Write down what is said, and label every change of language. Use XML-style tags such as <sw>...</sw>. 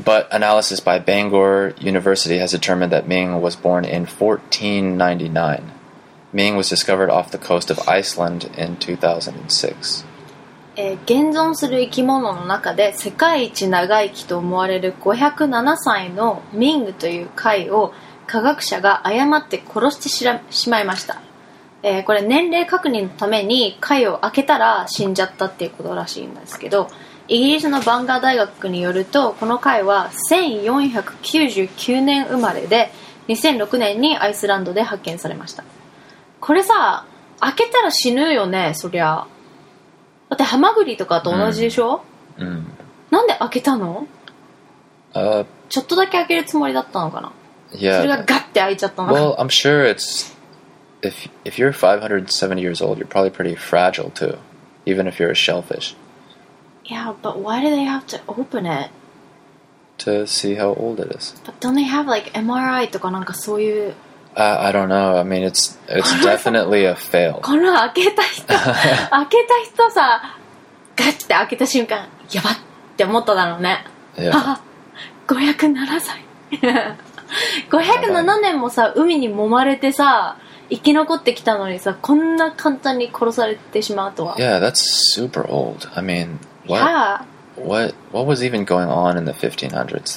<en>Analysis by Bangor University has determined that Ming was born in 1499. Ming was discovered off the coast of Iceland in 2006.</en> <ja>現存する生き物の中で世界一長生きと思われる507歳のミングという貝を科学者が誤って殺してしまいました。これ年齢確認のために貝を開けたら死んじゃったっていうことらしいんですけど、イギリスのバンガー大学によるとこの貝は1499年生まれで2006年にアイスランドで発見されました。これさ、開けたら死ぬよね、そりゃ。だってハマグリとかと同じでしょ。うん。なんで開けたの？ちょっとだけ開けるつもりだったのかな。</ja> <en>Yeah.</en> <ja>それがガッて開いちゃったの。</ja> <en>Well, I'm sure it's if you're 570 years old, you're probably pretty fragile too, even if you're a shellfish. Yeah, but why do they have to open it? To see how old it is. But don't they have like MRI</en> <ja>とかなんかそういう。</ja> <en>I don't know. I mean, it's definitely a fail.</en> <ja>この開けた人、開けた人さ、ガッて開けた瞬間、やばって思っただろうね。</ja> <en>Yeah.</en> <ja>507歳。 507年もさ、海に揉まれてさ、生き残ってきたのにさ、こんな簡単に殺されてしまうとは。</ja> <en>Yeah, that's super old. I mean, what? Yeah. What was even going on in the 1500s?</en>